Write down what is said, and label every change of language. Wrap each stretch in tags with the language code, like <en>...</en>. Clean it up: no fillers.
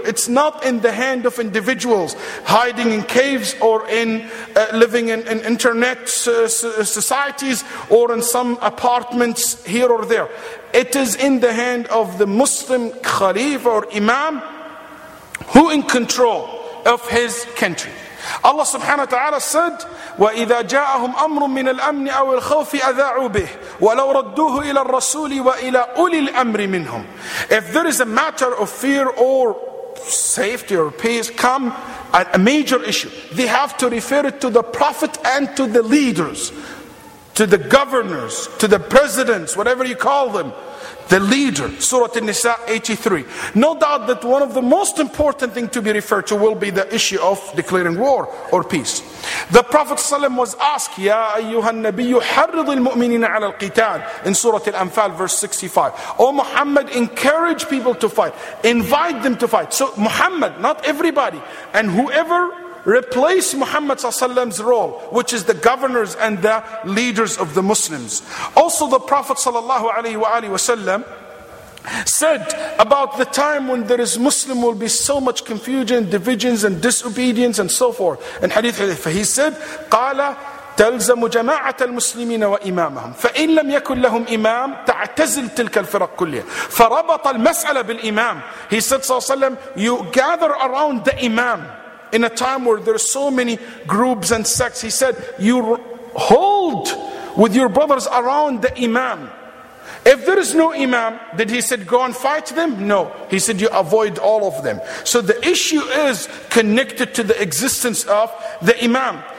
<en>It's not in the hand of individuals hiding in caves or in living in internet societies or in some apartments here or there. It is in the hand of the Muslim Khalifa or Imam, who in control of his country.</en> <ar>Allah subhanahu wa ta'ala said, وَإِذَا جَاءَهُمْ أَمْرٌ مِّنَ الْأَمْنِ أَوِ الْخَوْفِ أَذَاعُوا بِهِ وَلَوْ رَدُّوهُ إِلَى الرَّسُولِ وَإِلَى أُولِي الْأَمْرِ مِنْهُمْ.</ar> <en>If there is a matter of fear or safety or peace come a major issue. They have to refer it to the prophet and to the leaders, to the governors, to the presidents, whatever you call them. The leader, Surah An-Nisa 83. No doubt that one of the most important things to be referred to will be the issue of declaring war or peace. The Prophet ﷺ was asked,</en> <ar>Ya ayyuhan nabiyyu harrid al-mu'minina ala al-qital,</ar> <en>in Surah Al-Anfal, verse 65. O Muhammad, encourage people to fight. Invite them to fight. So Muhammad, not everybody, and whoever replace Muhammad ﷺ's role, which is the governors and the leaders of the Muslims. Also, the Prophet ﷺ said about the time when there is Muslim will be so much confusion, divisions, and disobedience, and so forth. In Hadith, he said,</en> <ar>"Qala تلزم جماعة المسلمين وإمامهم فإن لم يكن لهم إمام تعتزل تلك الفرق كلها فربط المسألة بالإمام."</ar> <en>He said,</en> <ar>صلى الله عليه وسلم,</ar> <en>"You gather around the Imam." In a time where there are so many groups and sects, he said, you hold with your brothers around the Imam. If there is no Imam, did he said, go and fight them? No. He said, you avoid all of them. So the issue is connected to the existence of the Imam.</en>